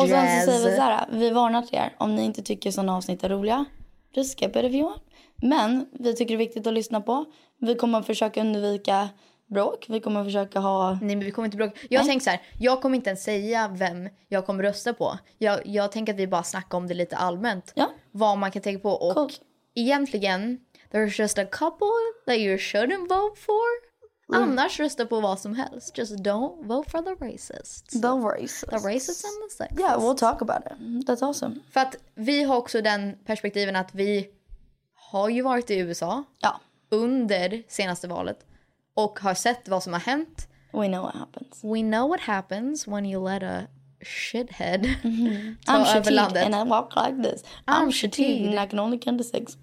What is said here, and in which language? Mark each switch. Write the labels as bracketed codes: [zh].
[sv] Och sen så säger vi såhär, vi varnar till er. Om ni inte tycker sådana avsnitt är roliga, du skippar det vi gör. Men vi tycker det är viktigt att lyssna på. Vi kommer att försöka undvika... Bråk, vi kommer försöka ha... Nej, men vi kommer inte bråka. Jag tänker så här, jag kommer inte ens säga vem jag kommer rösta på. Jag tänker att vi bara snackar om det lite allmänt. Ja. Vad man kan tänka på. Och cool. Egentligen, [en] there's just a couple that you shouldn't vote for. Mm. [sv] Annars rösta på vad som helst. [en] Just don't vote for the racists. The racists. The racists and the sexists. Yeah, we'll talk about it. That's awesome. [sv] För att vi har också den perspektiven att vi har ju varit i USA. Ja. Under senaste valet. Och har sett vad som har hänt. [en] We know what happens. We know what happens when you let a shithead over [sv] landet. [en] I'm shitty and I walk like this. I'm shitty and I can only count to six.